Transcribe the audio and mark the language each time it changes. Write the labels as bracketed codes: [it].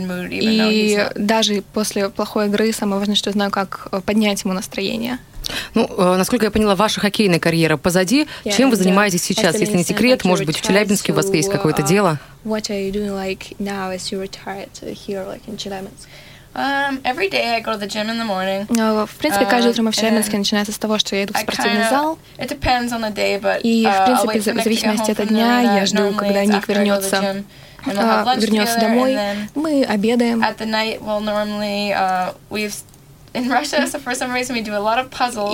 [ru] И даже после плохой игры самое важное, что я знаю, как поднять ему настроение. Ну, насколько я поняла, ваша хоккейная карьера позади. Yeah, чем вы занимаетесь сейчас, если не секрет? Может быть, в Челябинске у вас есть какое-то дело? [en] What are you doing like now as you retired here, like in Челябинск? Every day I go to the gym in the morning. [ru] В принципе, каждое утро в Челябинске начинается с того, что я иду в спортивный зал. [en] It depends on the day, but [ru] и в принципе, в зависимости от дня, я жду, когда Ник вернется. Вернется домой, мы обедаем. [en] At the night, well, normally we've in Russia, so for some reason we do a lot of puzzles.